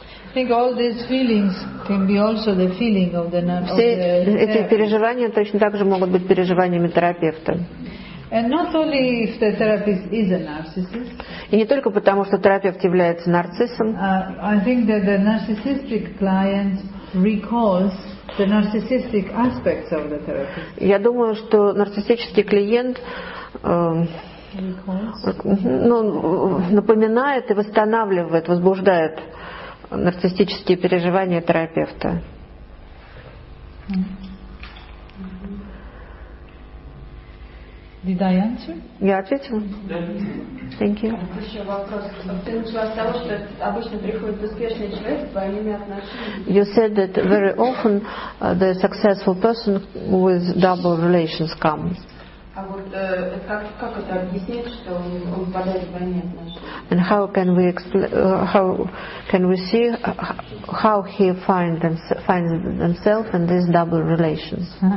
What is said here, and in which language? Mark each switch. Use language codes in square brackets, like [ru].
[en] I think all these feelings can be also the feeling of the nerve. [ru] Все эти переживания точно также могут быть переживаниями терапевта. [en] And not only if the therapist is a narcissist. [ru] И не только потому, что терапевт является нарциссом. [en] I think that the narcissistic client recalls the narcissistic aspects of the therapist. [ru] Я думаю, что нарциссический клиент напоминает и восстанавливает, возбуждает нарциссические переживания терапевта. [en] Did I answer? [ru] Я ответила. [en] Thank you. [ru] Еще вопрос. Ты начала с того, что обычно приходит успешный человек с двойными отношениями. [en] You said that very often the successful person with double relations comes. [ru] А вот как это объяснить, что он попадает в двойные отношения? [en] And how can we how can we see how he finds himself in these double relations?